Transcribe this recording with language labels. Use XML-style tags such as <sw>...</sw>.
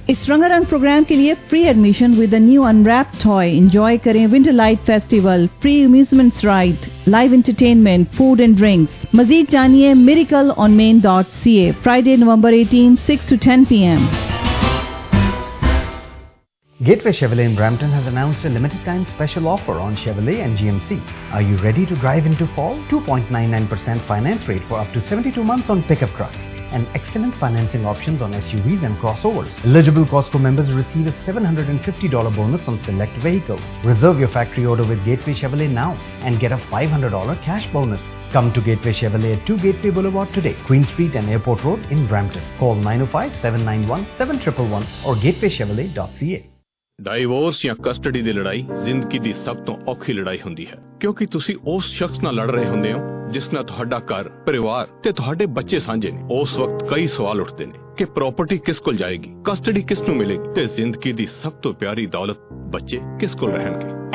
<hi>इस रंगारंग प्रोग्राम के लिए free admission</hi> <en>With the new unwrap toy.</en> <hi>Enjoy करें winter light festival, free amusement ride, live entertainment, food and drinks. मजीद जानिए miracleonmain.ca। Friday November 18 6-10 PM।</hi> <en>Gateway Chevrolet in Brampton has announced a limited-time special offer on Chevrolet and GMC. Are you ready to drive into fall? 2.99% finance rate for up to 72 months on pickup trucks and excellent financing options on SUVs and crossovers. Eligible Costco members receive a $750 bonus on select vehicles. Reserve your factory order with Gateway Chevrolet now and get a $500 cash bonus. Come to Gateway Chevrolet at 2 Gateway Boulevard today, Queen Street and Airport Road in Brampton. Call 905-791-7111 or gatewaychevrolet.ca.</en> <pa>Divorce ਜਾਂ custody ਦੀ ਲੜਾਈ ਜ਼ਿੰਦਗੀ ਦੀ ਸਭ ਤੋਂ ਔਖੀ ਲੜਾਈ ਹੁੰਦੀ ਹੈ, ਕਿਉਂਕਿ ਤੁਸੀਂ ਉਸ ਸ਼ਖਸ ਨਾਲ ਲੜ ਰਹੇ ਹੁੰਦੇ ਹੋ ਜਿਸ ਨਾਲ ਤੁਹਾਡਾ ਘਰ, ਪਰਿਵਾਰ ਤੇ ਤੁਹਾਡੇ ਬੱਚੇ ਸਾਂਝੇ ਨੇ। ਉਸ ਵਕਤ ਕਈ ਸਵਾਲ ਉੱਠਦੇ ਨੇ ਕਿ ਪ੍ਰਾਪਰਟੀ ਕਿਸ ਕੋਲ ਜਾਏਗੀ, ਕਸਟਡੀ ਕਿਸ ਨੂੰ ਮਿਲੇਗੀ ਤੇ ਜ਼ਿੰਦਗੀ ਦੀ ਸਭ ਤੋਂ ਪਿਆਰੀ ਦੌਲਤ ਬੱਚੇ ਕਿਸ ਕੋਲ ਰਹਿਣਗੇ।</pa>